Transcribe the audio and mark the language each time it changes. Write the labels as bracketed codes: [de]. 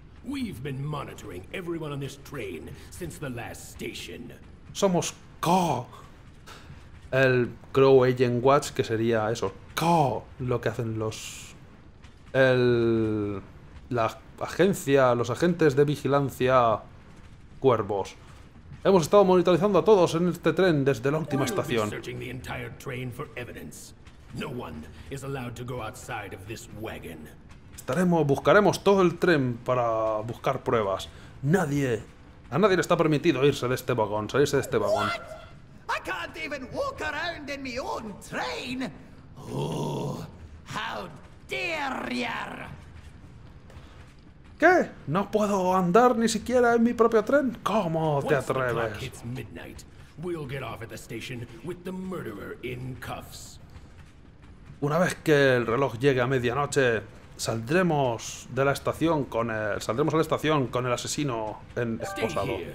[en] We've been monitoring everyone on this train since the last station. [es] Somos Caw, el Crow Agent Watch, que sería eso. Caw, lo que hacen los los agentes de vigilancia cuervos. Hemos estado monitorizando a todos en este tren desde la última estación. [en] We're searching the entire train for evidence. No one is allowed to go outside of this wagon. [es] Buscaremos todo el tren para buscar pruebas. A nadie le está permitido irse de este vagón, salirse de este vagón. [en] What? I can't even walk around in my own train. Oh, how dare you! [es] ¿Qué? No puedo andar ni siquiera en mi propio tren. ¿Cómo te atreves? [en] Once the clock hits midnight, we'll get off at the station with the murderer in cuffs. [es] Una vez que el reloj llegue a medianoche, saldremos a la estación con el asesino esposado.